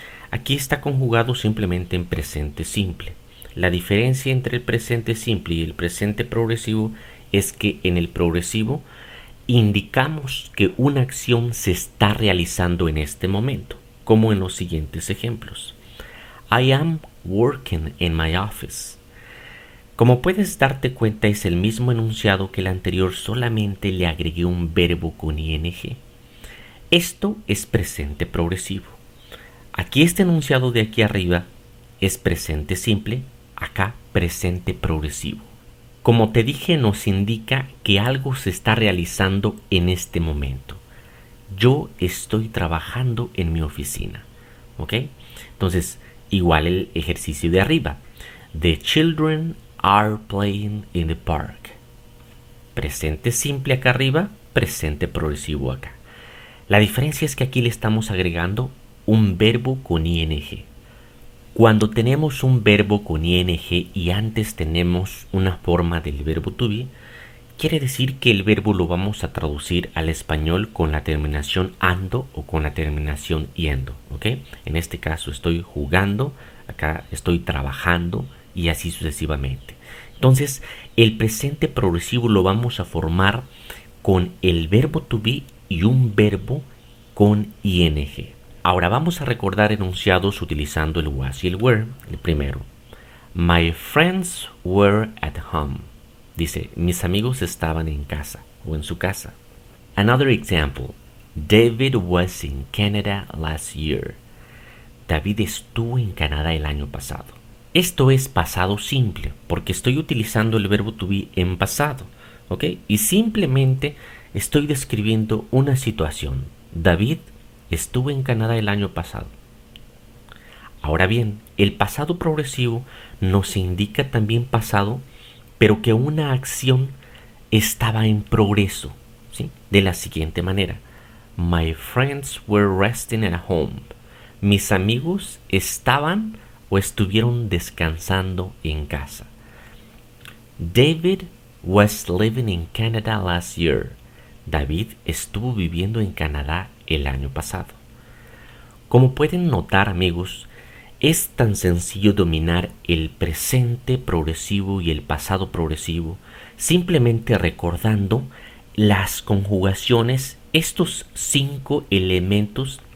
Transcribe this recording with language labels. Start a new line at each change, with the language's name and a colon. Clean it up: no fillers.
Spanish: Aquí está conjugado simplemente en presente simple. La diferencia entre el presente simple y el presente progresivo es que en el progresivo indicamos que una acción se está realizando en este momento, como en los siguientes ejemplos.
English: I am working in my office.
Spanish: Como puedes darte cuenta, es el mismo enunciado que el anterior, solamente le agregué un verbo con ing. Esto es presente progresivo. Aquí este enunciado de aquí arriba es presente simple, acá presente progresivo. Como te dije, nos indica que algo se está realizando en este momento. Yo estoy trabajando en mi oficina. ¿Ok? Entonces, igual el ejercicio de arriba.
English: The children are playing in the park.
Spanish: Presente simple acá arriba, presente progresivo acá. La diferencia es que aquí le estamos agregando un verbo con ing. Cuando tenemos un verbo con ing y antes tenemos una forma del verbo to be, quiere decir que el verbo lo vamos a traducir al español con la terminación ando o con la terminación yendo, ¿ok? En este caso estoy jugando, acá estoy trabajando. Y así sucesivamente. Entonces, el presente progresivo lo vamos a formar con el verbo to be y un verbo con ing. Ahora vamos a recordar enunciados utilizando el was y el were. El primero:
English: My friends were at home.
Spanish: Dice: mis amigos estaban en casa o en su casa.
English: Another example: David was in Canada last year.
Spanish: David estuvo en Canadá el año pasado. Esto es pasado simple, porque estoy utilizando el verbo to be en pasado, ¿ok? Y simplemente estoy describiendo una situación. David estuvo en Canadá el año pasado. Ahora bien, el pasado progresivo nos indica también pasado, pero que una acción estaba en progreso, ¿sí? De la siguiente manera:
English: My friends were resting at home.
Spanish: Mis amigos estaban o estuvieron descansando en casa.
English: David was living in Canada last year.
Spanish: David estuvo viviendo en Canadá el año pasado. Como pueden notar, amigos, es tan sencillo dominar el presente progresivo y el pasado progresivo simplemente recordando las conjugaciones, estos cinco elementos.